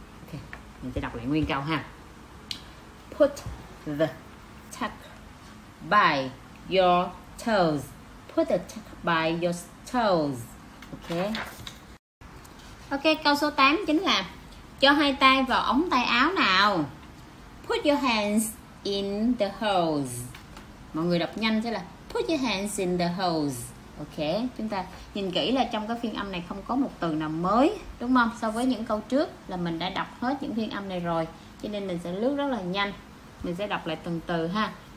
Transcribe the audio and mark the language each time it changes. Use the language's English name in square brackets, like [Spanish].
[Vietnamese] Ok, mình sẽ đọc lại nguyên câu ha. [English] Put the tuck by your toes. Put the tuck by your toes. [Vietnamese] Ok, câu số 8 chính là cho hai tay vào ống tay áo nào. [English] Put your hands in the holes. [Vietnamese] Mọi người đọc nhanh sẽ là [English] put your hands in the holes. [Vietnamese] Ok, chúng ta nhìn kỹ là trong cái phiên âm này không có một từ nào mới, đúng không? So với những câu trước là mình đã đọc hết những phiên âm này rồi, cho nên mình sẽ lướt rất là nhanh. Mình sẽ đọc lại từng từ ha.